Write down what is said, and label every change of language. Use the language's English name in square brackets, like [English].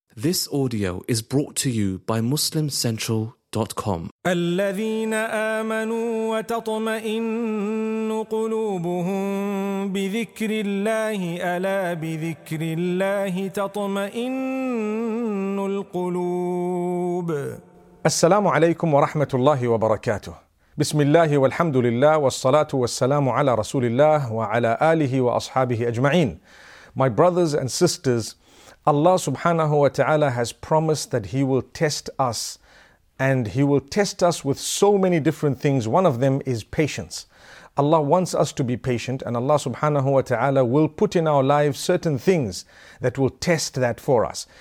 [English] This audio is brought to you by MuslimCentral.com. [Arabic] الذين آمنوا وتطمئن قلوبهم بذكر الله ألا بذكر الله تطمئن القلوب. السلام عليكم ورحمة الله وبركاته. بسم الله والحمد لله والصلاة والسلام على رسول الله وعلى آله وأصحابه أجمعين. [English] My brothers and sisters, Allah subhanahu wa ta'ala has promised that He will test us, and He will test us with so many different things. One of them is patience. Allah wants us to be patient, and Allah subhanahu wa ta'ala will put in our lives certain things that will test that for us.